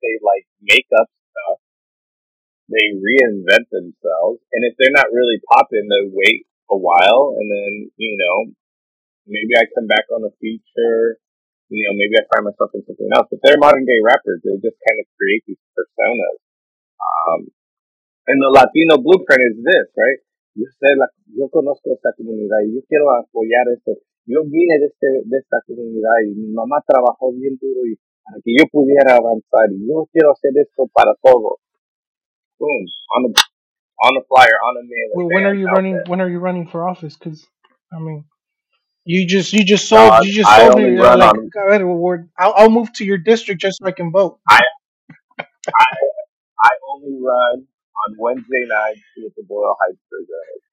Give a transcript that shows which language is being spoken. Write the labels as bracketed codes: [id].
[en] They like make up stuff, they reinvent themselves, and if they're not really popping, they wait a while, and then, you know, maybe I come back on a feature, you know, maybe I find myself in something else. But they're modern day rappers. They just kind of create these personas. And the Latino blueprint is this, right? You said, like, [es] yo conozco esta comunidad y yo quiero apoyar esto. Yo vine de esta comunidad y mi mamá trabajó bien duro y para que yo pudiera avanzar. Yo quiero hacer esto para todo. [en] Boom. On the flyer, on the mailer. Well, when are you running for office? Because, I mean, You just sold me. I'll move to your district just so I can vote. I only run on Wednesday nights with the Boyle Heights Preserve.